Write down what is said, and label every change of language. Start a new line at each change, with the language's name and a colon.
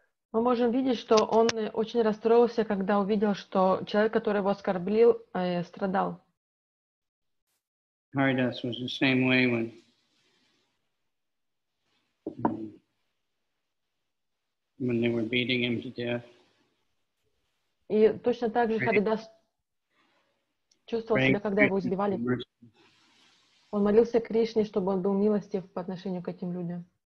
Russian: Мы можем видеть, что он очень расстроился, когда увидел, что человек, который его оскорбил, страдал.
English: Haridasa was the same way when they were beating him to death.
Russian: И точно так же Харидас чувствовал себя, когда его избивали. Он молился Кришне, чтобы он был милостив по отношению к этим людям.